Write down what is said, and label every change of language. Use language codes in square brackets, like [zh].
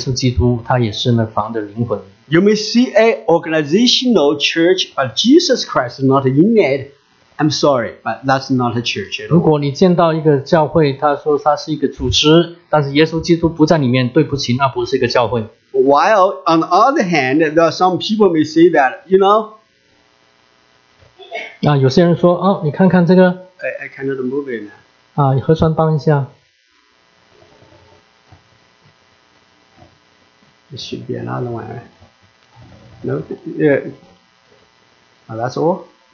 [zh] 房子里面那个房主是耶稣基督，他也是那房的灵魂。 [en] You may see a organizational church, but Jesus Christ is not in it. I'm sorry, but that's not a church at all. [zh] 如果你见到一个教会，他说他是一个组织，但是耶稣基督不在里面，对不起，那不是一个教会。 [en] While on the other hand, there are some people may say that, you know. [zh] 有些人说，你看看这个。 [en] I cannot move it now. [zh] 核酸帮一下。 [en] It should be another one, right? No, yeah. That's all.